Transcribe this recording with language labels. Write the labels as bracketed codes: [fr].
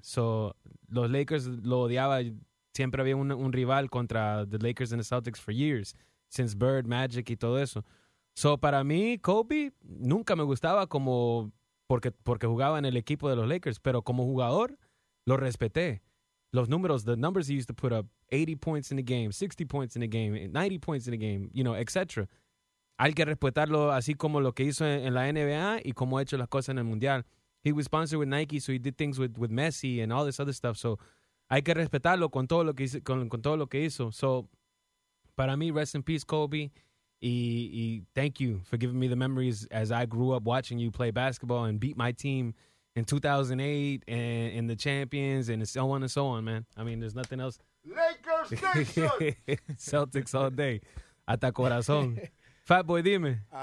[es] So, los Lakers lo odiaba. Siempre había un rival contra [en] the Lakers and the Celtics for years, since Bird, Magic [es] y todo eso. So, para mí, Kobe nunca me gustaba como porque jugaba en el equipo de los Lakers, pero como jugador, lo respeté. Los números, [en] the numbers he used to put up, 80 points in a game, 60 points in a game, 90 points in a game, you know, etc. [es] Hay que respetarlo así como lo que hizo en la NBA y como ha hecho las cosas en el Mundial. [en] He was sponsored with Nike, so he did things with Messi and all this other stuff. [es] So hay que respetarlo con todo lo que hizo. Con todo lo que hizo. So para mí, [en] rest in peace, [es] Kobe. [en] Y thank you for giving me the memories as I grew up watching you play basketball and beat my team in 2008 and in the champions and so on, man. I mean, there's nothing else. Lakers Nation. [es] Celtics [en] all day. [es] Hasta corazón. Fatboy, dime.